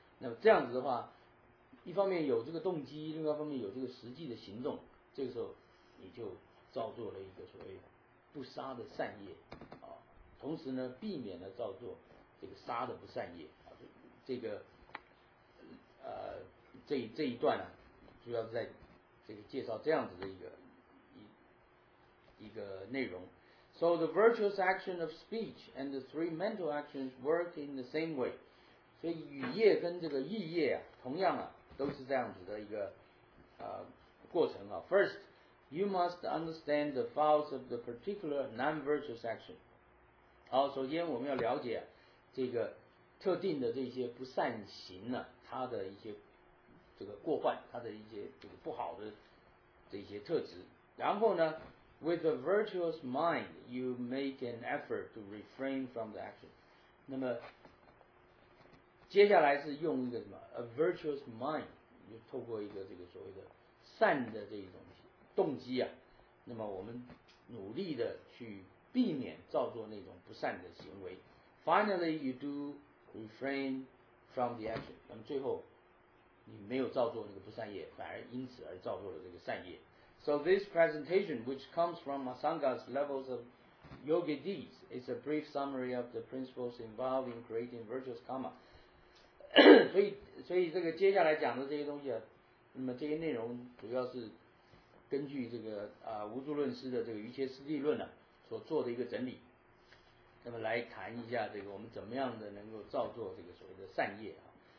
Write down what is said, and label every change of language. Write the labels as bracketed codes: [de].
[zh] 那么这样子的话，一方面有这个动机，另外一方面有这个实际的行动，这个时候你就造作了一个所谓不杀的善业啊，同时呢避免了造作这个杀的不善业啊。这个这一段呢，主要是在这个介绍这样子的一个内容。 [en] So the virtuous action of speech and the three mental actions work in the same way. [zh] 所以语业跟这个意业啊，同样啊，都是这样子的一个过程啊。 [en] First, you must understand the faults of the particular non-virtuous action. [zh] 好，首先我们要了解这个特定的这些不善行呢，它的一些这个过患，它的一些这个不好的这些特质。然后呢， [en] With a virtuous mind, you make an effort to refrain from the action. [zh] 那么接下来是用一个什么 ？ [en] A virtuous mind, [zh] 就透过一个这个所谓的善的这一种动机啊，那么我们努力的去避免造作那种不善的行为。 [en] Finally, you do refrain from the action. [zh] 那么最后你没有造作那个不善业，反而因此而造作了这个善业。 [en] So this presentation, which comes from Asanga's levels of yogi deeds, is a brief summary of the principles involved in creating virtuous karma. [zh] 所以这个接下来讲的这些东西啊，那么这些内容主要是根据这个无著论师的这个瑜伽师地论呢、所做的一个整理。那么来谈一下这个我们怎么样的能够造作这个所谓的善业啊。